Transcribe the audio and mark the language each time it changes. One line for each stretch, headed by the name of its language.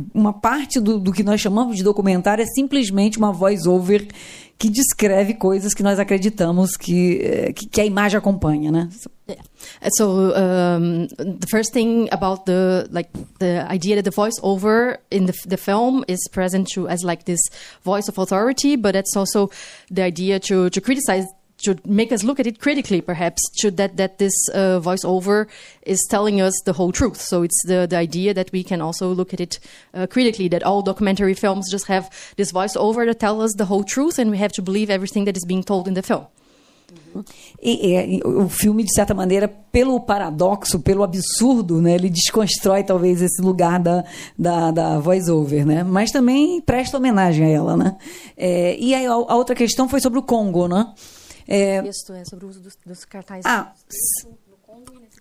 Portuguese: Uma parte do que nós chamamos de documentário é simplesmente uma voice-over que descreve coisas que nós acreditamos que a imagem acompanha, né?
English: Yeah. So the first thing about the idea that the voiceover in the film is present to as like this voice of authority, but that's also the idea to criticize, to make us look at it critically, perhaps, to that this voiceover is telling us the whole truth. So it's the idea that we can also look at it critically, that all documentary films just have this voiceover to tell us the whole truth, and we have to believe everything that is being told in the film.
Portuguese: E o filme, de certa maneira, pelo paradoxo, pelo absurdo, né, ele desconstrói talvez esse lugar da voice-over, né? Mas também presta homenagem a ela. Né? E aí a outra questão foi sobre o Congo. Né? É sobre o uso dos cartazes do Congo